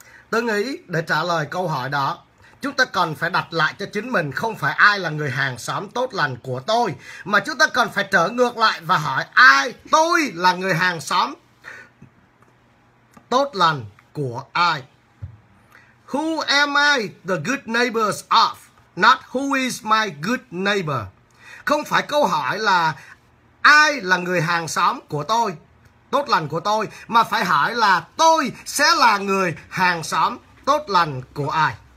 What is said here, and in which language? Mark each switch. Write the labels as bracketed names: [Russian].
[Vietnamese] Tôi nghĩ để trả lời câu hỏi đó, chúng ta cần phải đặt lại cho chính mình không phải ai là người hàng xóm tốt lành của tôi, mà chúng ta cần phải trở ngược lại và hỏi ai tôi là người hàng xóm tốt lành của ai? [English] Who am I the good neighbors of? Not who is my good neighbor? [Vietnamese] Không phải câu hỏi là ai là người hàng xóm của tôi, tốt lành của tôi, mà phải hỏi là tôi sẽ là người hàng xóm tốt lành của ai.